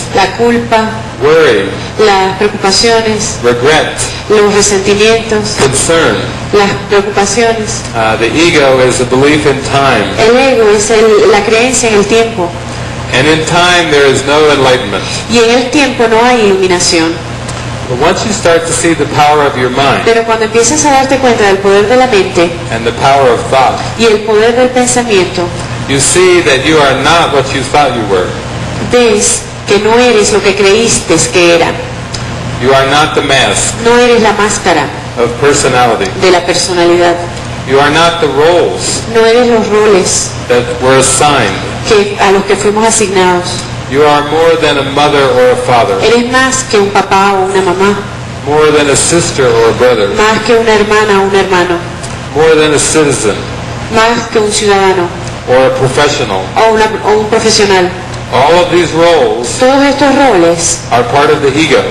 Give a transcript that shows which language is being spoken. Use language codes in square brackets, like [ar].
[es] La culpa. [en] Worry. [es] Las preocupaciones. [en] Regret. [es] Los resentimientos. [en] Concern. [es] Las preocupaciones. [en] The ego is a belief in time. [es] El ego es el, la creencia en el tiempo. [en] And in time there is no enlightenment. [es] Y en el tiempo no hay iluminación. [en] But once you start to see the power of your mind, [es] pero cuando empiezas a darte cuenta del poder de la mente, [en] and the power of thought, [es] y el poder del pensamiento, [en] you see that you are not what you thought you were. [es] Ves que no eres lo que creíste que era. [en] You are not the mask. [es] No eres la máscara. [en] Of personality. [es] De la personalidad. [en] You are not the roles. [es] No eres los roles. [en] That were assigned. [es] Que a los que fuimos asignados. [en] You are more than a mother or a father. [es] Eres más que un papá o una mamá. [en] More than a sister or a brother. [es] Más que una hermana o un hermano. [en] More than a citizen. [es] Más que un ciudadano. [en] or a professional. [es] O un profesional. [en] All of these roles, [es] todos estos roles, [en] are part of the ego.